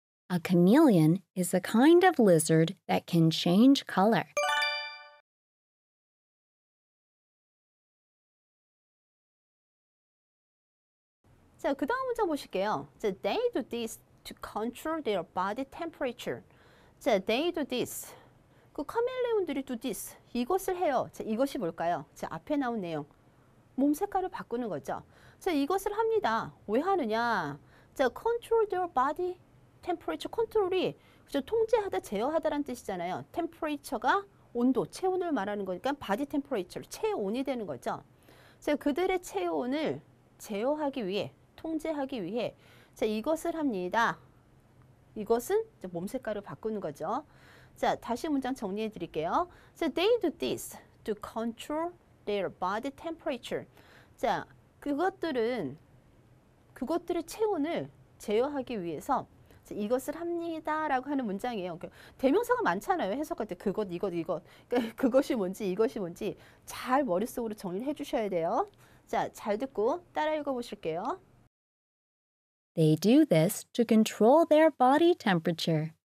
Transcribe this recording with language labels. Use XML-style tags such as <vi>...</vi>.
<en>A chameleon is a kind of lizard that can change color.</en> <ko>자, 그 다음 문장 보실게요.</ko> <en>So they do this to control their body temperature. So they do this.</en> <ko>그 카멜레온들이</ko> <en>do this.</en> <ko>이것을 해요. 자, 이것이 뭘까요? 자, 앞에 나온 내용. 몸 색깔을 바꾸는 거죠. 자, 이것을 합니다. 왜 하느냐? 자,</ko> <en>control their body temperature. control이</en> <ko>그죠? 통제하다, 제어하다라는 뜻이잖아요. temperature가 온도, 체온을 말하는 거니까 body temperature, 체온이 되는 거죠. 자, 그들의 체온을 제어하기 위해, 통제하기 위해 자, 이것을 합니다. 이것은 이제 몸 색깔을 바꾸는 거죠. 자, 다시 문장 정리해 드릴게요.</ko> <en>So they do this to control their body temperature.</en> <ko>자, 그것들은 그것들의 체온을 제어하기 위해서 이것을 합니다. 라고 하는 문장이에요. 대명사가 많잖아요. 해석할 때 그것, 이것, 이것. 그것이 뭔지, 이것이 뭔지 잘 머릿속으로 정리를 해 주셔야 돼요. 자, 잘 듣고 따라 읽어 보실게요.</ko> <en>They do this to control their body temperature.</en>